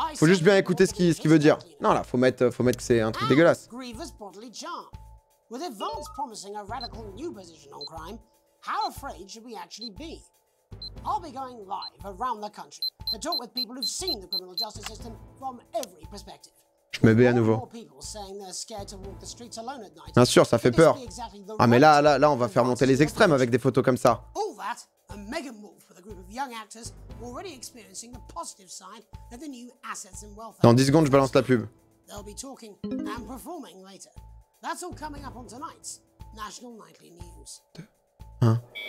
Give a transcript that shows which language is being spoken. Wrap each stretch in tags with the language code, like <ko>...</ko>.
<fr>Faut juste bien écouter ce qu'il veut dire. Non, là, faut mettre que c'est un truc dégueulasse.</fr> <en>Grievous bodily charm. With Advance promising a radical new position on crime, how afraid should we actually be? I'll be going live around the country to talk with people who've seen the criminal justice system from every perspective.</en> <fr>Je me mets à nouveau. Bien sûr, ça fait peur. Ah mais là, on va faire monter les extrêmes avec des photos comme ça.</fr> <en>All that, a mega move for the group of young actors already experiencing the positive side of the new assets and wealth.</en> <fr>Dans 10 secondes, je balance la pub. They'll be talking and performing later.</fr> <en>That's all coming up on tonight's National Nightly News.</en>